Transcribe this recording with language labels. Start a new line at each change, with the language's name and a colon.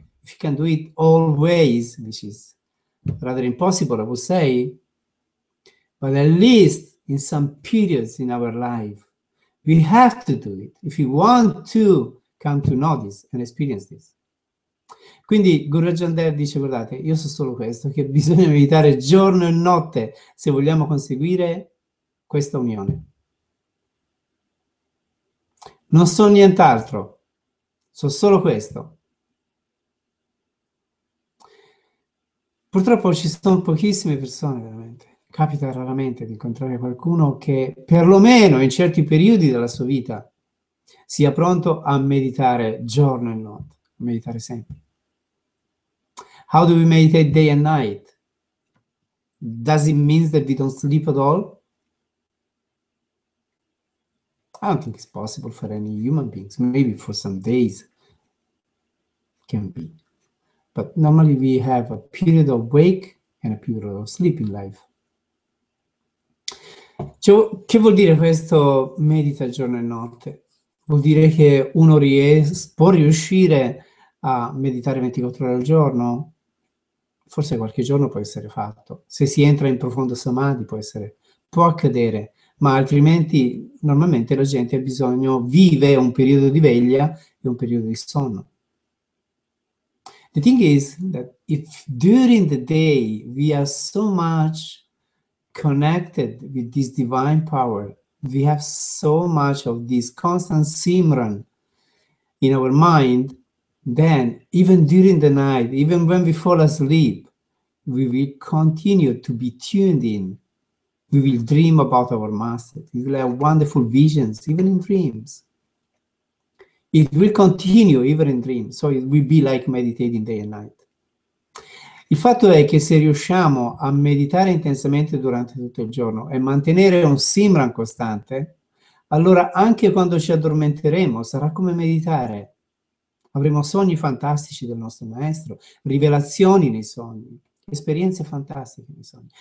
English: If you can do it always, which is rather impossible, I would say, but at least in some periods in our life, we have to do it. If you want to come to know this and experience this.
Italian: Quindi Guru Arjan Dev dice, guardate, io so solo questo, che bisogna meditare giorno e notte se vogliamo conseguire questa unione. Non so nient'altro, so solo questo. Purtroppo ci sono pochissime persone, veramente. Capita raramente di incontrare qualcuno che perlomeno in certi periodi della sua vita sia pronto a meditare giorno e notte, a meditare sempre.
English: How do we meditate day and night? Does it mean that we don't sleep at all? I don't think it's possible for any human beings. Maybe for some days can be. But normally we have a period of wake and a period of sleep in life.
Italian: Cioè, che vuol dire questo medita giorno e notte? Vuol dire che uno ries può riuscire a meditare 24 ore al giorno? Forse qualche giorno può essere fatto. Se si entra in profondo samadhi può accadere, ma altrimenti normalmente la gente ha bisogno, vive un periodo di veglia e un periodo di sonno.
English: The thing is that if during the day we are so much connected with this divine power, we have so much of this constant Simran in our mind, then even during the night, even when we fall asleep, we will continue to be tuned in. We will dream about our master. We will have wonderful visions, even in dreams. It will continue even in dreams. So it will be like meditating day and night.
Italian: Il fatto è che se riusciamo a meditare intensamente durante tutto il giorno e mantenere un Simran costante, Allora, anche quando ci addormenteremo, sarà come meditare. Avremo sogni fantastici del nostro maestro, rivelazioni nei sogni, esperienze fantastiche nei sogni.